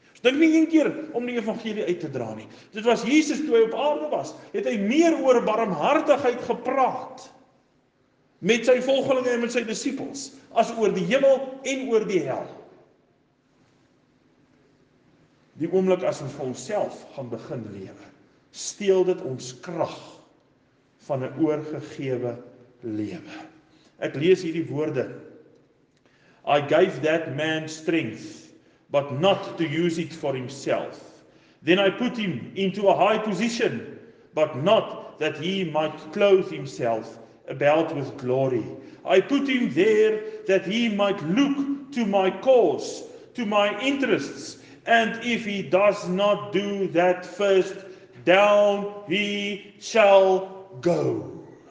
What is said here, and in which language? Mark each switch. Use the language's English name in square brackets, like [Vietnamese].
[Afrikaans] Ons dink nie een keer om die evangelie uit te dra nie. Dit was Jesus toe hy op aarde was, het hy meer oor barmhartigheid gepraat met sy volgelinge en met sy disippels, as oor die hemel en oor die hel. Die oomblik as ons vir onsself gaan begin lewe, steel dit ons krag van 'n oorgegewe lewe. Ek lees hierdie woorde. [English] I gave that man strength, but not to use it for himself. Then I put him into a high position, but not that he might clothe himself about with glory. I put him there that he might look to my cause, to my interests, and if he does not do that first, down he shall go.